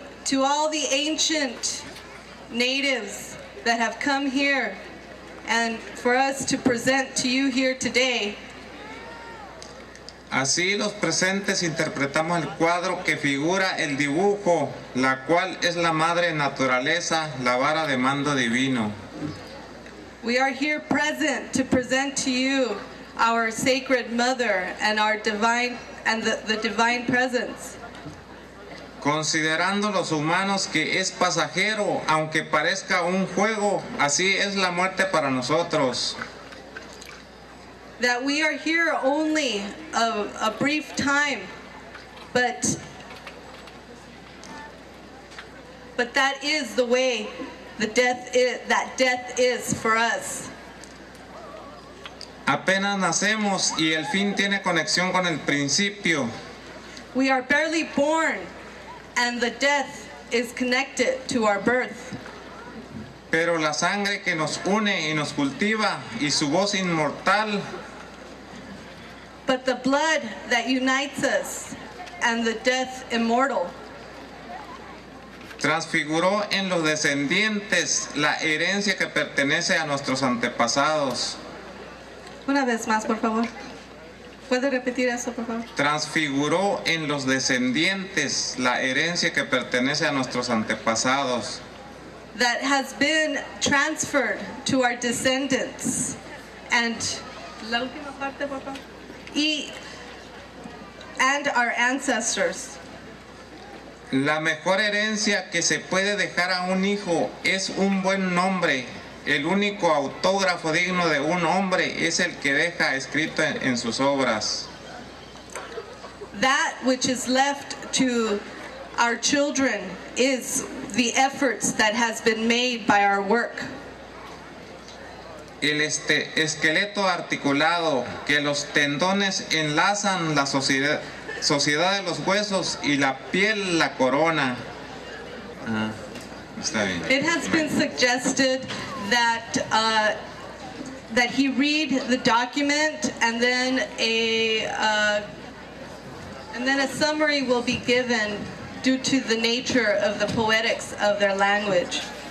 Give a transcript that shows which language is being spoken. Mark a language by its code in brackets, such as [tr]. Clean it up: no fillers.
[en] To all the ancient natives that have come here and for us to present to you here today. [es] Así los presentes interpretamos el cuadro que figura el dibujo, la cual es la madre naturaleza, la vara de mando divino. [en] We are here present to present to you our sacred mother and our divine and the divine presence. [es] Considerando los humanos que es pasajero, aunque parezca un juego, así es la muerte para nosotros. [en] That we are here only a brief time, but that is the way that death is for us. [es] Apenas nacemos y el fin tiene conexión con el principio. [en] We are barely born and the death is connected to our birth. [es] Pero la sangre que nos une y nos cultiva y su voz inmortal. [en] But the blood that unites us and the death immortal. [es] Transfiguró en los descendientes la herencia que pertenece a nuestros antepasados. Una vez más, por favor. ¿Puede repetir eso, por favor? Transfiguró en los descendientes la herencia que pertenece a nuestros antepasados. [en] That has been transferred to our descendants. And [es] la última parte, por favor. [en] And our ancestors. [es] La mejor herencia que se puede dejar a un hijo es un buen nombre. El único autógrafo digno de un hombre es el que deja escrito en sus obras. [en] That which is left to our children is the efforts that has been made by our work. [es] El esqueleto articulado que los tendones enlazan la sociedad de los huesos y la piel la corona. Está bien. [en] It has been suggested that he read the document and then a summary will be given due to the nature of the poetics of their language.